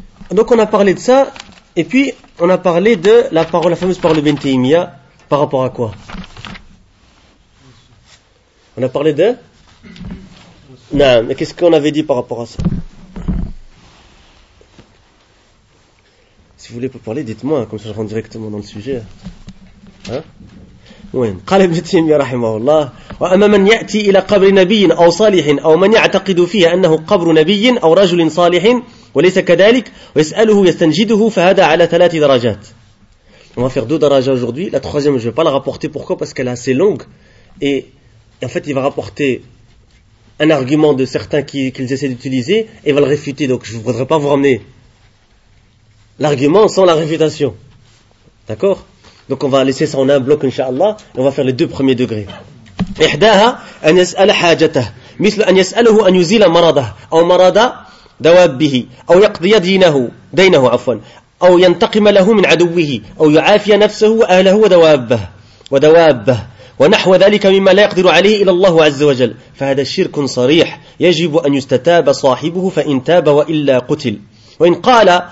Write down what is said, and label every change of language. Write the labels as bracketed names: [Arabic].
[French] Donc, on a parlé de ça, et puis, on a parlé de la parole, la fameuse parole de Ibn Taymiyyah, par rapport à quoi? On a parlé de? Non, mais qu'est-ce qu'on avait dit par rapport à ça? Si vous voulez parler, dites-moi, comme ça je rentre directement dans le sujet. Hein? [Arabic] Oui. قال ابن تيمية رحمه الله وأما من يأتي إلى قبر نبي أو صالح أو من يعتقد فيه أنه قبر نبي أو رجل صالح وليس كذلك ويسأله يستنجده فهذا على ثلاث درجات [French] On va faire deux darajas aujourd'hui. La troisième, je ne vais pas la rapporter. Pourquoi ? Parce qu'elle est assez longue. Et en fait, il va rapporter un argument de certains qu'ils essaient d'utiliser et va le réfuter. Donc, je ne voudrais pas vous ramener l'argument sans la réfutation. D'accord ? Donc, on va laisser ça en un bloc, Inch'Allah. Et on va faire les deux premiers degrés. [Arabic] إحداها أن يسأل حاجته مثل أن يسأله أن يزيل مرضه أو مرض دوابه أو يقضي دينه عفوا أو ينتقم له من عدوه أو يعافي نفسه وأهله ودوابه ونحو ذلك مما لا يقدر عليه إلا الله عز وجل فهذا شرك صريح يجب أن يستتاب صاحبه فإن تاب وإلا قتل وإن قال